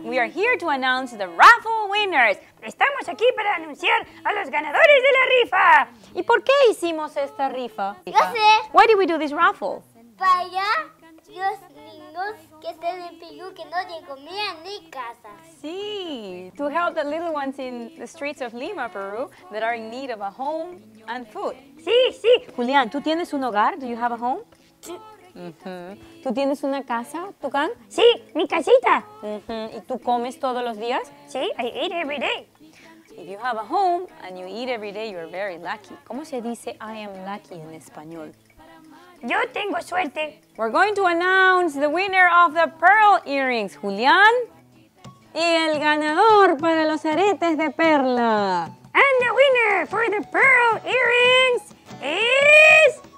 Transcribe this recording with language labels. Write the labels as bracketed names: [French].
[English] We are here to announce the raffle winners. [Spanish] Estamos aquí para anunciar a los ganadores de la rifa. ¿Y por qué hicimos esta rifa? Yo sé. [English] Why did we do this raffle? [Spanish] Para los niños que están en Perú que no tienen comida ni casa. Sí. [English] To help the little ones in the streets of Lima, Peru, that are in need of a home and food. [Spanish] Sí, sí. Julián, ¿tú tienes un hogar? [English] Do you have a home? [Spanish] ¿Tú tienes una casa, Tucán? Sí, mi casita. ¿Y tú comes todos los días? [English] Sí, I eat every day. If you have a home and you eat every day, you're very lucky. [Spanish] ¿Cómo se dice [English] I am lucky [Spanish] en español? Yo tengo suerte. [English] We're going to announce the winner of the pearl earrings, Julián. [Spanish] Y el ganador para los aretes de perla. [English] And the winner for the pearl earrings is...